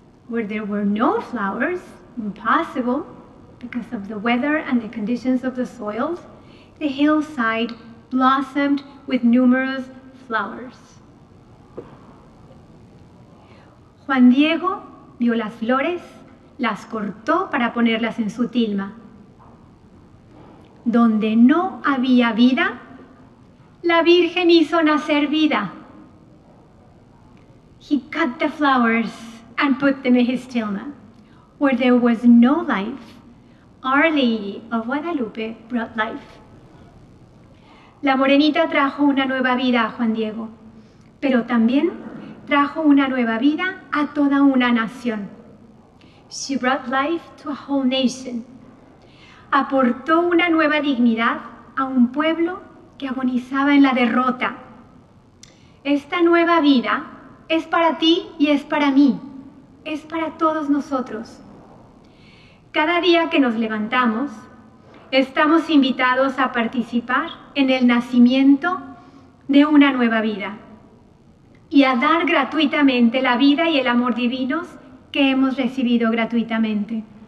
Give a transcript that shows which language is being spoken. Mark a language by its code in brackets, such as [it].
[en] where there were no flowers, impossible because of the weather and the conditions of the soils, the hillside blossomed with numerous flowers. [es] Juan Diego vio las flores, las cortó para ponerlas en su tilma. Donde no había vida, la Virgen hizo nacer vida. [en] He cut the flowers and put them in his tilma. Where there was no life, Our Lady of Guadalupe brought life. [es] La morenita trajo una nueva vida a Juan Diego, pero también trajo una nueva vida a toda una nación. [en] She brought life to a whole nation. [es] Aportó una nueva dignidad a un pueblo que agonizaba en la derrota. Esta nueva vida es para ti y es para mí. Es para todos nosotros. Cada día que nos levantamos, estamos invitados a participar en el nacimiento de una nueva vida y a dar gratuitamente la vida y el amor divinos que hemos recibido gratuitamente.